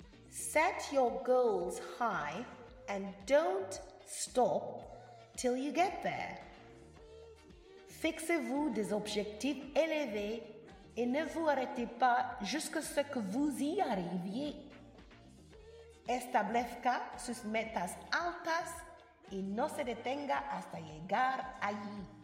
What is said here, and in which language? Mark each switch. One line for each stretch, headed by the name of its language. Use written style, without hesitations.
English: Set your goals high and don't stop till you get there.
French: Fixez-vous des objectifs élevés et ne vous arrêtez pas jusqu'à ce que vous y arriviez.
Spanish: Establezca sus metas altas y no se detenga hasta llegar allí.